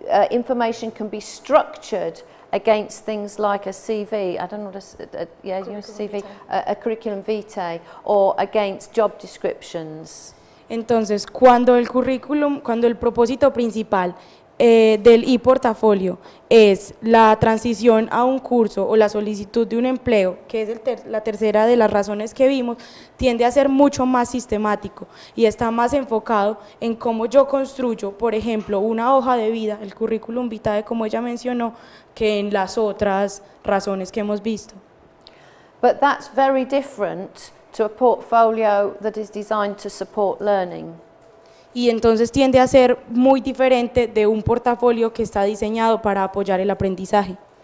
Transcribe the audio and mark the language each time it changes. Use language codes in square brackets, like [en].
[en] Information can be structured against things like a CV, I don't know what a curriculum vitae, or against job descriptions. [es] Entonces, cuando el propósito principal del e-portafolio es la transición a un curso o la solicitud de un empleo, que es la tercera de las razones que vimos, tiende a ser mucho más sistemático y está más enfocado en cómo yo construyo, por ejemplo, una hoja de vida, el currículum vitae, como ella mencionó, que en las otras razones que hemos visto. [en] But that's very different to a portfolio that is designed to support learning. [es] Y entonces tiende a ser muy diferente de un portafolio que está diseñado para apoyar el aprendizaje.